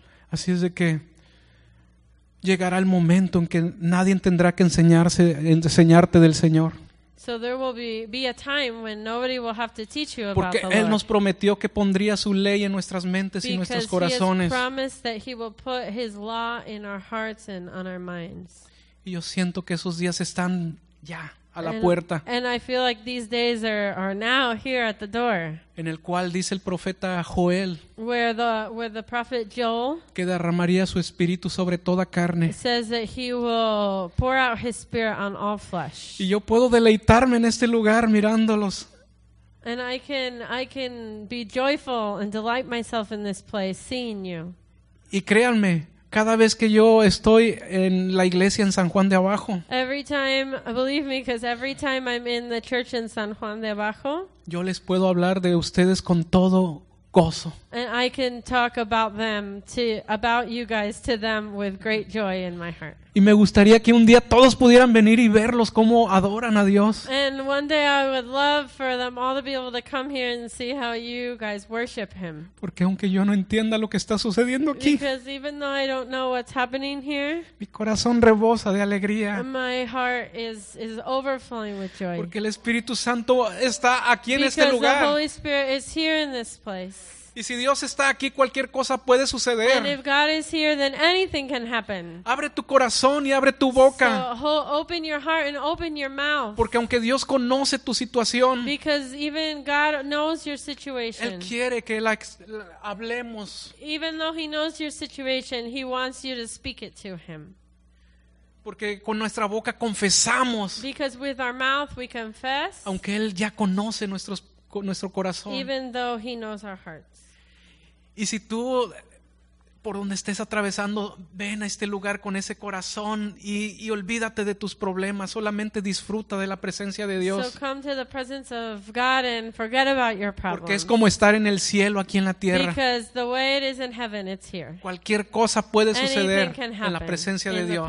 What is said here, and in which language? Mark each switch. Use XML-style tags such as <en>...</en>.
<es>Así es de que llegará el momento en que nadie tendrá que enseñarte del Señor.</es> <en>So there will be a time when nobody will have to teach you about</en> <es>Porque</es> <en>the Lord.</en> <es>Porque él nos prometió que pondría su ley en nuestras mentes</es> <en>Because</en> <es>y nuestros corazones.</es> <en>Because he has promised that he will put his law in our hearts and on our minds.</en> <es>Y yo siento que esos días están ya a la puerta.</es> <en>And I feel like these days are now here at the door.</en> <es>En el cual dice el profeta Joel.</es> <en>Where the prophet Joel.</en> <es>Que derramaría su espíritu sobre toda carne.</es> <en>Says that he will pour out his spirit on all flesh.</en> <es>Y yo puedo deleitarme en este lugar mirándolos.</es> <en>And I can be joyful and delight myself in this place seeing you.</en> <es>Y créanme. Cada vez que yo estoy en la iglesia en San Juan de Abajo.</es> <en>Every time, believe me, because every time I'm in the church in San Juan de Abajo.</en> <es>Yo les puedo hablar de ustedes con todo gozo.</es> <en>And I can talk about you guys to them with great joy in my heart.</en> <es>Y me gustaría que un día todos pudieran venir y verlos cómo adoran a Dios.</es> <en>And one day I would love for them all to be able to come here and see how you guys worship him.</en> <es>Porque aunque yo no entienda lo que está sucediendo aquí.</es> <en>Because even though I don't know what's happening here.</en> <es>Mi corazón rebosa de alegría.</es> <en>My heart is overflowing with joy.</en> <es>Porque el Espíritu Santo está aquí en</es> <en>Because</en> <es>este lugar.</es> <en>The Holy Spirit is here in this place.</en> <es>Y si Dios está aquí, cualquier cosa puede suceder.</es> <en>And if God is here, then anything can happen.</en> <es>Abre tu corazón y abre tu boca.</es> <en>So open your heart and open your mouth.</en> <es>Porque aunque Dios conoce tu situación,</es> <en>Because even God knows your situation.</en> <es>Él quiere que la hablemos.</es> <en>Even though he knows your situation, he wants you to speak it to him.</en> <es>Porque con nuestra boca confesamos.</es> <en>Because with our mouth we confess.</en> <es>Aunque él ya conoce nuestro corazón.</es> <en>Even though he knows our heart.</en> <es>Y si tú, por donde estés atravesando, ven a este lugar con ese corazón y olvídate de tus problemas, solamente disfruta de la presencia de Dios.</es> <en>So come to the presence of God and forget about your problems.</en> <es>Porque es como estar en el cielo aquí en la tierra.</es> <en>Because the way it is in heaven, it's here.</en> <es>Cualquier cosa puede suceder en la presencia de Dios.</es>